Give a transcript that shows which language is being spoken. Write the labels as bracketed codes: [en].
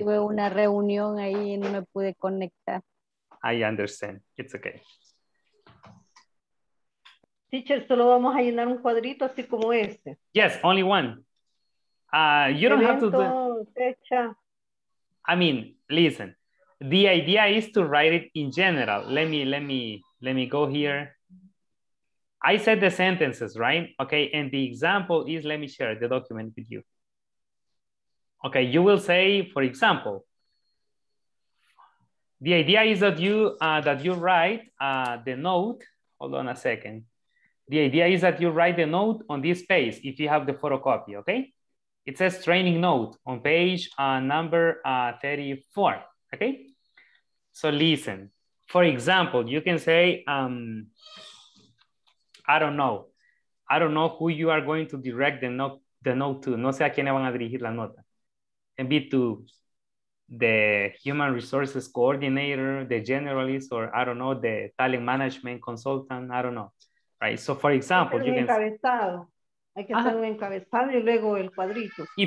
[es] Tuve una reunión ahí y no me pude conectar. [en] I understand. It's okay. [es] Teacher, solo vamos a llenar un cuadrito así como este. [en] Yes, only one. You don't have to do fecha. I mean, listen, the idea is to write it in general. Let me go here. I said the sentences, right? Okay, and the example is, let me share the document with you. Okay, you will say, for example, the idea is that you write the note. Hold on a second. The idea is that you write the note on this page if you have the photocopy, okay? It says training note on page number 34, okay? So listen, for example, you can say, I don't know who you are going to direct the note to. [es] No sé a quién van a dirigir la nota. [en] Can be to the human resources coordinator, the generalist, or I don't know, the talent management consultant, I don't know. Right, so for example, you can [es] encabezado. Hay que hacer un encabezado y luego el cuadrito.